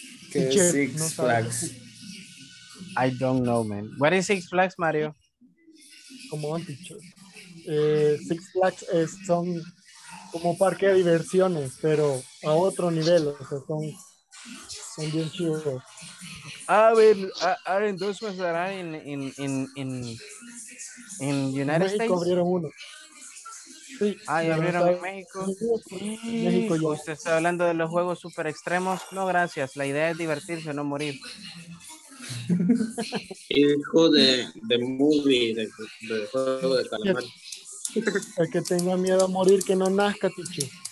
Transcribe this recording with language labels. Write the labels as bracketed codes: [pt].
[es] ¿Qué es Six Flags? [en] I don't know, man. What is Six Flags, Mario? Come on, teacher. [es] Six Flags es son como parque de diversiones, pero a otro nivel, o sea, son bien chidos. [en] Aren't those ones that are in United States? [es] México abrieron uno. Sí, y abrieron en México. México ya. Usted está hablando de los juegos super extremos. No, gracias. La idea es divertirse, no morir. Hijo de movie, de juego de calamar. El que tenga miedo a morir, que no nazca, tichu.